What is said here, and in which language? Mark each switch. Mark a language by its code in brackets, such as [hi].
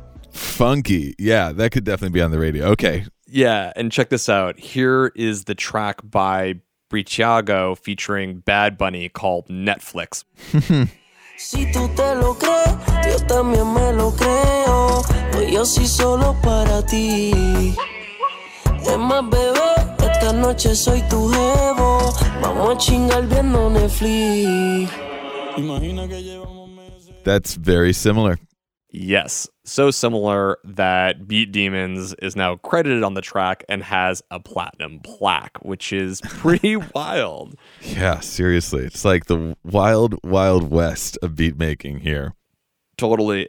[en] Funky. Yeah, that could definitely be on the radio. Okay. Yeah, and check this out. Here is the track by Breciago featuring Bad Bunny called Netflix. [es] Si tú te lo crees, yo también me lo creo. Pues yo sí solo para ti. Es más, bebé, esta noche soy tu jevo. Vamos a chingar viendo Netflix. Imagina que llevamos meses. [en] That's very similar. Yes, so similar that Beat Demons is now credited on the track and has a platinum plaque, which is pretty wild. Yeah, seriously. It's like the wild, wild west of beat making here. Totally.